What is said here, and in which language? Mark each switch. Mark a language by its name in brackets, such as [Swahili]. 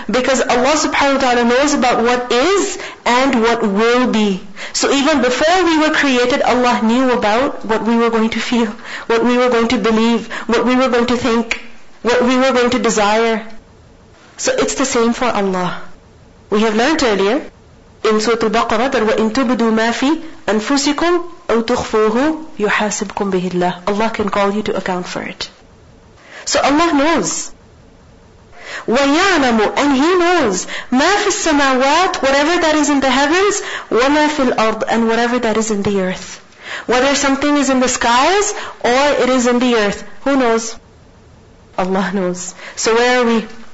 [English] Because Allah subhanahu wa ta'ala knows about what is and what will be. So even before we were created, Allah knew about what we were going to feel, what we were going to believe, what we were going to think, what we were going to desire. So it's the same for Allah. We have learnt earlier in Surah Al-Baqarah that [Arabic] وَإِن تُبْدُوا مَا فِي أَنفُسِكُمْ أَوْ تُخْفُوهُ يُحَاسِبْكُمْ بِهِ اللَّهِ. [English] Allah can call you to account for it. So Allah knows. [Arabic] وَيَعْلَمُ, [English] and He knows, [Arabic] مَا فِي السَّمَاوَاتِ, [English] whatever that is in the heavens, [Arabic] وَمَا فِي الْأَرْضِ, [English] and whatever that is in the earth. Whether something is in the skies or it is in the earth, who knows? Allah knows. So where are we?